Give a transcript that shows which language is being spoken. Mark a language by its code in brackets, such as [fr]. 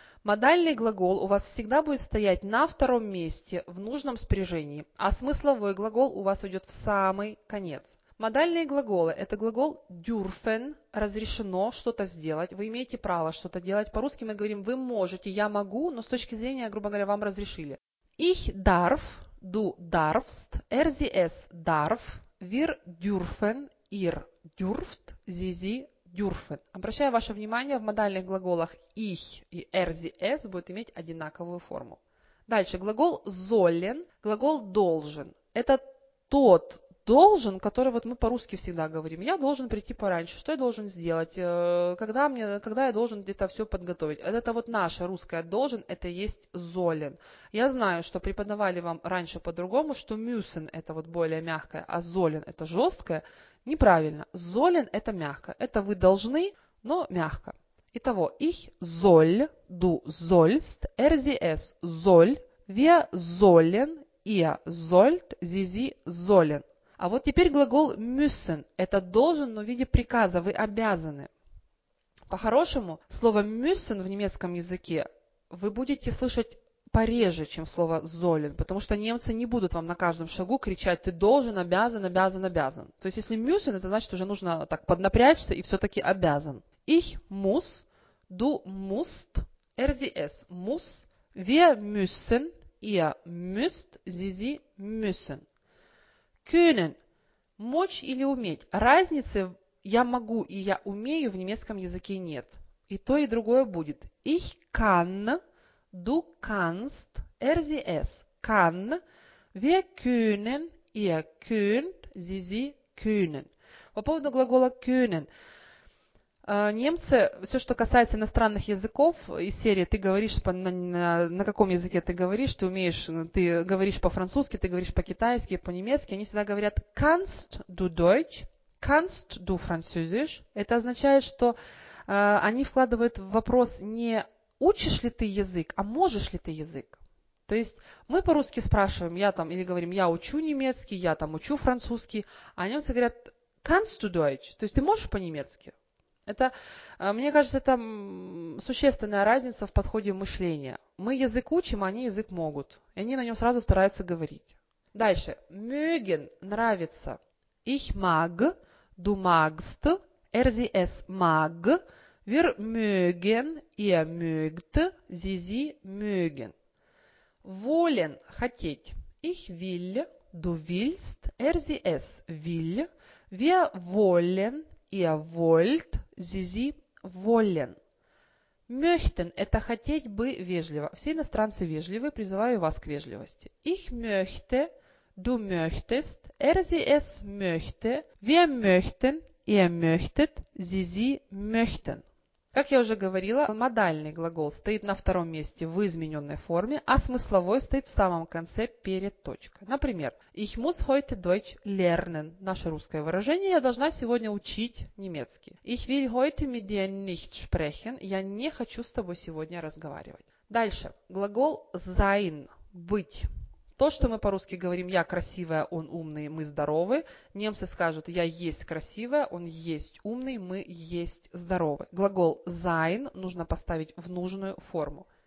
[ru] Модальный глагол у вас всегда будет стоять на втором месте в нужном спряжении, а смысловой глагол у вас идет в самый конец. Модальные глаголы – это глагол dürfen, разрешено что-то сделать, вы имеете право что-то делать. По-русски мы говорим «вы можете», «я могу», но с точки зрения, грубо говоря, вам разрешили. [de] Ich darf, du darfst, er, sie, es darf, wir dürfen, ihr dürft, sie, sie dürfen. [ru] Обращаю ваше внимание, в модальных глаголах ich и er, sie, es будет иметь одинаковую форму. Дальше, глагол sollen, глагол должен. Это тот должен, который вот мы по-русски всегда говорим. Я должен прийти пораньше. Что я должен сделать? Когда я должен где-то все подготовить? Это вот наше русское должен, это есть sollen. Я знаю, что преподавали вам раньше по-другому, что müssen это вот более мягкое, а sollen это жесткое. Неправильно. Sollen это мягко. Это вы должны, но мягко. Итого. [de] Ich soll, du sollst, er, sie, es soll, wir sollen, ihr sollt, sie, sie sollen. [ru] А вот теперь глагол müssen. Это должен, но в виде приказа. Вы обязаны. По-хорошему, слово müssen в немецком языке вы будете слышать пореже, чем слово sollen. Потому что немцы не будут вам на каждом шагу кричать «ты должен, обязан, обязан, обязан». То есть, если müssen, это значит, уже нужно так поднапрячься и все-таки обязан. [de] Ich muss, du musst, er, sie, es muss, wir müssen, ihr müsst, sie, sie müssen. [ru] Können – мочь или уметь. Разницы «я могу» и «я умею» в немецком языке нет. И то, и другое будет. [de] Ich kann, du kannst, er, sie, es kann, wir können, ihr könnt, sie, sie können. [ru] По поводу глагола können. Немцы, все, что касается иностранных языков из серии, ты говоришь на каком языке ты говоришь, ты умеешь, ты говоришь по-французски, ты говоришь по-китайски, по-немецки, они всегда говорят [de] kannst du Deutsch, kannst du Französisch. [ru] Это означает, что они вкладывают в вопрос не учишь ли ты язык, а можешь ли ты язык. То есть мы по-русски спрашиваем, я там, или говорим, я учу немецкий, я там учу французский, а немцы говорят [de] kannst du Deutsch, [ru] то есть ты можешь по-немецки. Это, мне кажется, это существенная разница в подходе мышления. Мы язык учим, а они язык могут. И они на нем сразу стараются говорить. Дальше. Mögen – нравится. [de] Ich mag, du magst, er, sie, es mag, wir mögen, ihr mögt, sie, sie mögen. [ru] Wollen – хотеть. [de] Ich will, du willst, er, sie, es will, wir wollen, ihr wollt, sie, sie wollen. [ru] Möchten – это хотеть бы вежливо. Все иностранцы вежливы, призываю вас к вежливости. [de] Ich möchte, du möchtest, er, sie, es möchte, wir möchten, ihr möchtet, sie, sie möchten. [ru] Как я уже говорила, модальный глагол стоит на втором месте в измененной форме, а смысловой стоит в самом конце перед точкой. Например, [de] ich muss heute Deutsch lernen. [ru] Наше русское выражение, я должна сегодня учить немецкий. [de] Ich will heute mit dir nicht sprechen. [ru] Я не хочу с тобой сегодня разговаривать. Дальше, глагол sein, быть. То, что мы по-русски говорим «я красивая, он умный, мы здоровы», немцы скажут «я есть красивая, он есть умный, мы есть здоровы». Глагол «sein» нужно поставить в нужную форму.